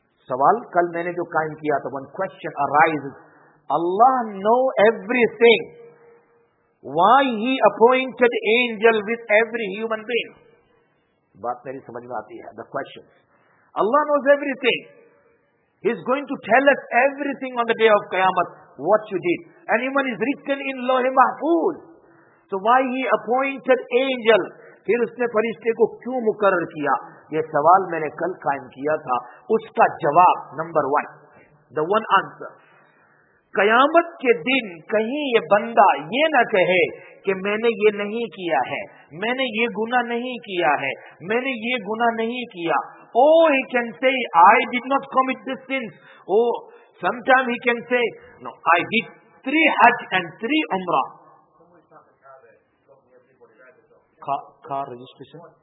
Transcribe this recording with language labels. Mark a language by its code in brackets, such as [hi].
[ur] سوال کل میں نے جو قائم کیا تھا, [en] One question arise, Allah know every thing, why he appointed Angel with every human being? [ur] بات میری سمجھ میں آتی ہے, [en] The question, Allah knows everything. He is going to tell us everything on the day of Qiyamah, what you did. And even is written in Lauh-e Mahfooz. So why he appointed angel? [ur] پھر اس نے فرشتے کو کیوں مقرر کیا؟ یہ سوال میں نے کل قائم کیا تھا, اس کا جواب number one, [en] the one answer, [ur] قیامت کے دن کہیں یہ بندہ یہ نہ کہے کہ میں نے یہ نہیں کیا ہے, میں نے یہ گناہ نہیں کیا ہے, میں نے یہ گناہ نہیں کیا. [en] Oh, he can say, I did not commit this sin. Oh, sometime he can say, no, I did 3 Hajj and 3 Umrah. Car registration?